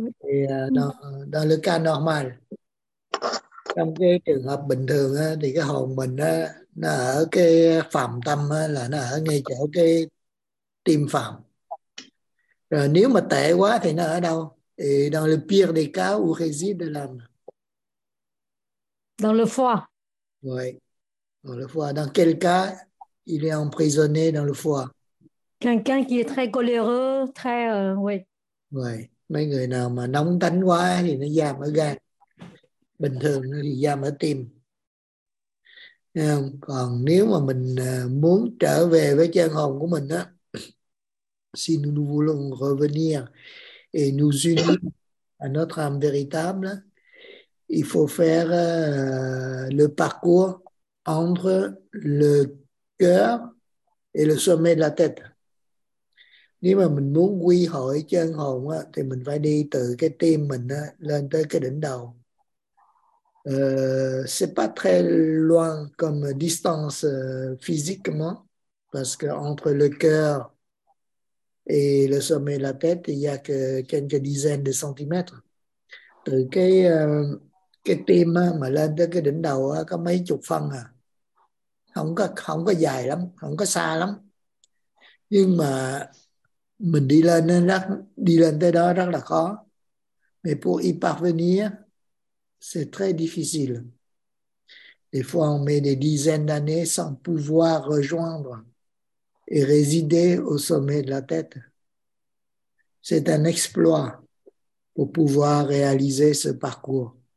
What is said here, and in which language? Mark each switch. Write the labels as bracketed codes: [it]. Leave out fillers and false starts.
[fr] Et dans le cas normal, [vi] trong cái trường hợp bình thường thì cái hồn mình nó ở cái phàm tâm là nó ở ngay chỗ cái tim phàm. Rồi nếu mà tệ quá thì nó ở đâu? [fr] Et dans le pire des cas, où réside l'âme? Dans le foie. Oui, dans le foie. Dans quel cas il est emprisonné dans le foie? Quelqu'un qui est très coléreux, très [vi] Ouais, mấy người nào mà nóng tính quá thì nó giam ở gan. Bình thường nó thì giam ở tim. Còn nếu mà mình muốn trở về với chân hồn của mình á, [fr] si nous nous voulons revenir et nous unir à notre âme véritable, il faut faire le parcours entre le cœur et le sommet de la tête. [vi] Nếu mà mình muốn quy hội chân hồn á, thì mình phải đi từ cái tim mình á, lên tới cái đỉnh đầu. [fr] C'est pas très loin comme distance physiquement, parce que entre le cœur et le sommet de la tête, il y a que quelques dizaines de centimètres. [vi] Từ cái tim á, mà lên tới cái đỉnh đầu á, có mấy chục phân à. Không có dài lắm, không có xa lắm. Nhưng mà mình đi lên tới đó rất là khó. [fr] Mais pour y parvenir, c'est très difficile. Des fois, on met des dizaines d'années sans pouvoir rejoindre et résider au sommet de la tête. C'est un exploit pour pouvoir réaliser ce parcours.